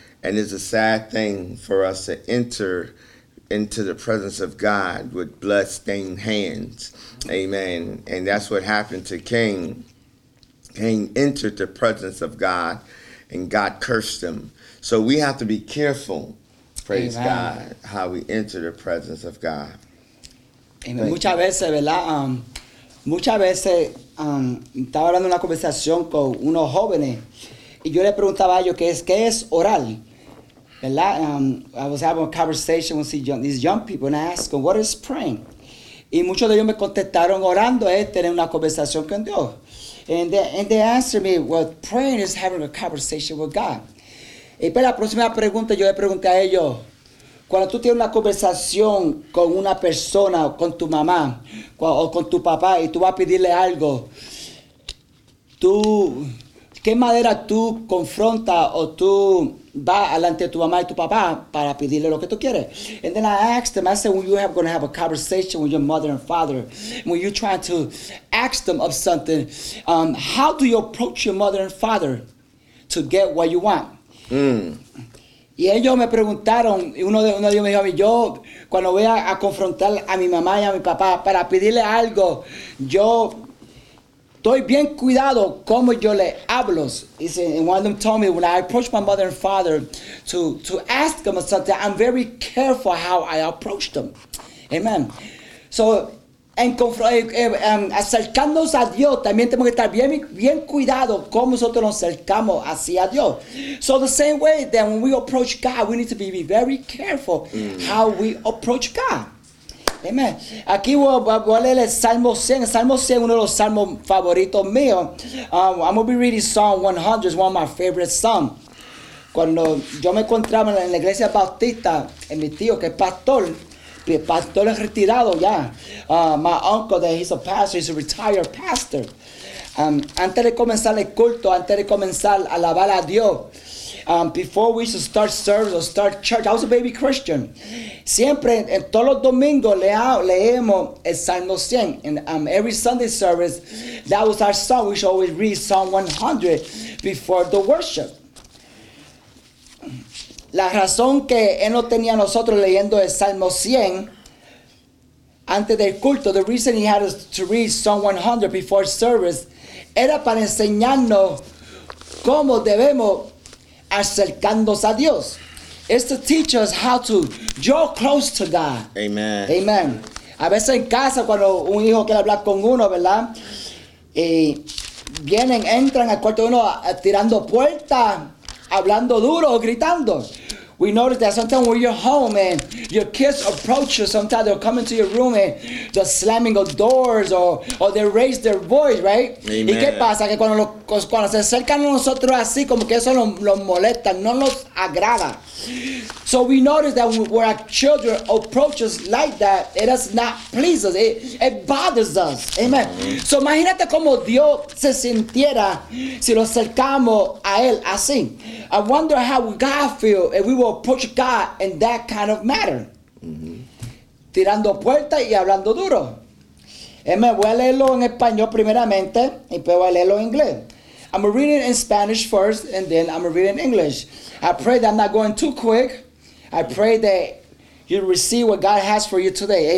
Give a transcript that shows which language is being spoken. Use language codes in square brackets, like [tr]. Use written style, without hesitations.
[en] And it's a sad thing for us to enter into the presence of God with blood-stained hands. Amen. And that's what happened to Cain. Cain entered the presence of God, and God cursed him. So we have to be careful, praise God, how we enter the presence of God. [es] Amen. Muchas veces, ¿verdad? Estaba hablando una conversación con unos jóvenes, y yo le preguntaba a ellos, ¿qué es orar? [en] I was having a conversation with these young people, and I asked them, what is praying? [es] Y muchos de ellos me contestaron, orando es tener una conversación con Dios. [en] And they answered me, well, praying is having a conversation with God. [es] Y para la próxima pregunta, yo le pregunté a ellos, cuando tú tienes una conversación con una persona, con tu mamá o con tu papá, y tú vas a pedirle algo, tú, ¿qué manera tú confrontas o tú vas delante de tu mamá y tu papá para pedirle lo que tú quieres? [en] And then I asked them, I said, when you have going to have a conversation with your mother and father, when you're trying to ask them of something, how do you approach your mother and father to get what you want? [es] Y ellos me preguntaron, uno de ellos me dijo a mí, yo cuando voy a confrontar a mi mamá y a mi papá para pedirle algo, yo estoy bien cuidado como yo le hablo. [en] He said, and one of them told me, when I approach my mother and father to ask them something, I'm very careful how I approach them. Amen. [es] So, acercándonos a Dios, también tenemos que estar bien, bien cuidado cómo nosotros nos acercamos hacia Dios. [en] So the same way that when we approach God, we need to be very careful how we approach God. [es] Amen. Aquí voy a leer el Salmo 100. El Salmo 100 es uno de los salmos favoritos míos. [en] I'm going to be reading Psalm 100. It's one of my favorite psalms. [es] Cuando yo me encontraba en la iglesia bautista, en mi tío que es pastor, pastor es retirado ya. [en] My uncle, that he's a pastor, he's a retired pastor. [es] Antes de comenzar el culto, antes de comenzar a alabar a Dios, [en] before we should start service or start church, I was a baby Christian. [es] Siempre, en todos los domingos, leemos el Salmo 100. [en] And every Sunday service, that was our song. We should always read Psalm 100 before the worship. [es] La razón que él no tenía nosotros leyendo el Salmo 100 antes del culto, [en] the reason he had us to read Psalm 100 before service, [es] era para enseñarnos cómo debemos acercarnos a Dios. [en] It's to teach us how to draw close to God. Amen. Amen. [es] A veces en casa cuando un hijo quiere hablar con uno, ¿verdad? Y vienen, entran al cuarto de uno tirando puertas, hablando duro o gritando. [en] We notice that sometimes when you're home and your kids approach you, sometimes they'll come into your room and they're slamming of doors or they raise their voice, right? Amen. [es] ¿Y qué pasa? Que cuando se acercan a nosotros así, como que eso los molesta, no nos agrada. [en] So we notice that when our children approach us like that, it does not please us. It bothers us. Amen. [es] So imagínate cómo Dios se sintiera si lo acercamos a Él así. [en] I wonder how God feel if we will approach God in that kind of matter. [es] Tirando puertas y hablando duro. Amen. Voy a leerlo en español primeramente y luego voy a leerlo en inglés. [en] I'm going to read it in Spanish first, and then I'm going to read it in English. I pray that I'm not going too quick. I pray that you receive what God has for you today.